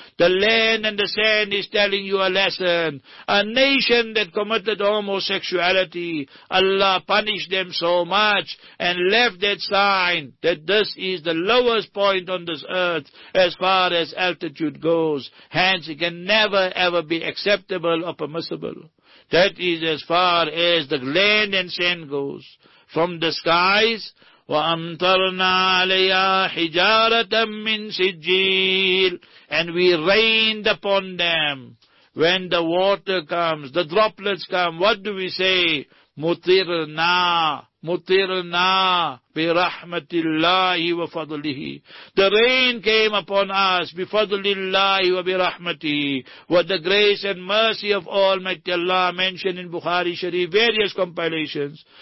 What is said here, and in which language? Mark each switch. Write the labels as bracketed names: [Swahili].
[English] The land and the sand is telling you a lesson. A nation that committed homosexuality, Allah punished them so much and left that sign that this is the lowest point on this earth as far as altitude goes. Hence, it can never ever be acceptable or permissible. That is as far as the land and sand goes. From the skies, [Arabic] وَأَمْتَرْنَا عَلَيَا حِجَارَةً مِّن سِجِّيلٍ. [English] And we rained upon them. When the water comes, the droplets come, what do we say? [Arabic] مُطِرْنَا مُطِرْنَا بِرَحْمَةِ اللَّهِ وَفَضْلِهِ. [English] The rain came upon us [Arabic] بِفَضْلِ اللَّهِ وَبِرَحْمَتِهِ, [English] with the grace and mercy of Almighty Allah, mentioned in Bukhari Sharif, various compilations.